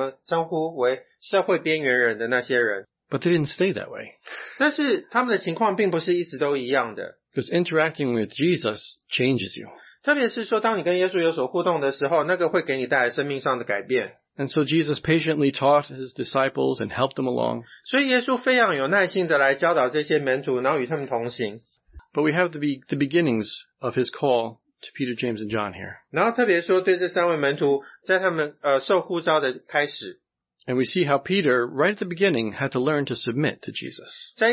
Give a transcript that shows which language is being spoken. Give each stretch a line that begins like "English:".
Chinese: 然后耶稣是去找那些看起来就是好像我们称呼为社会边缘人的那些人。
English: But they didn't stay that way.
Chinese: 但是他们的情况并不是一直都一样的。
English: Because interacting with Jesus changes you.
Chinese: 特别是说当你跟耶稣有所互动的时候，那个会给你带来生命上的改变。
English: And so Jesus patiently taught His disciples and helped them along.
Chinese: 所以耶稣非常有耐心地来教导这些门徒，然后与他们同行。
English: But we have the beginnings of His call to Peter, James, and John here.
Chinese: 然后特别说对这三位门徒在他们受呼召的开始。
English: And we see how Peter, right at the beginning, had to learn to submit to Jesus.